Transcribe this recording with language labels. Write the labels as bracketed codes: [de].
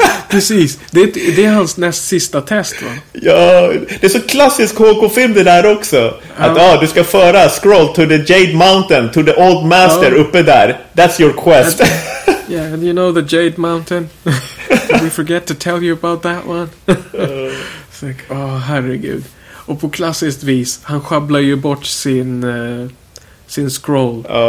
[sv] Precis, det är hans näst sista test, va? Ja, det är så klassisk HK-film det där också. Att du ska föra [en] scroll to the Jade Mountain, to the old master [sv] uppe där. [en] That's your quest. And you know the Jade Mountain? We forget to tell you about that one. It's like, [sv] herregud. Och på klassiskt vis, han schabblar ju bort sin scroll.